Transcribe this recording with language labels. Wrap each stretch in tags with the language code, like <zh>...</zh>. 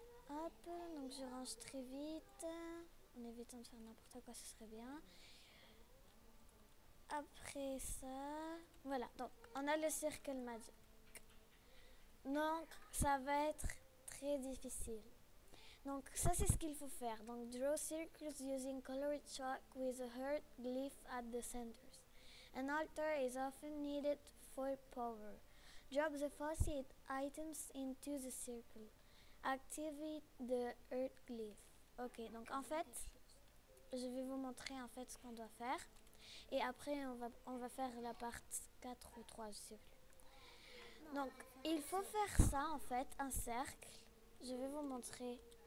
<fr>Hop, donc je range très vite, en évitant de faire n'importe quoi, ce serait bien. Après ça, voilà, donc on a le Circle Magic. Donc ça va être très difficile. Donc ça c'est ce qu'il faut faire.</fr> <en>Donc draw circles using colored chalk with a heart glyph at the centers. An altar is often needed for power. Drop the faceted items into the circle. Activate the Earth Glyph.</en> <fr>Ok, donc en fait, je vais vous montrer en fait ce qu'on doit faire. Et après, on va faire la part 4 ou 3, je sais plus. Donc, il faut faire ça en fait, un cercle. Je vais vous montrer.</fr>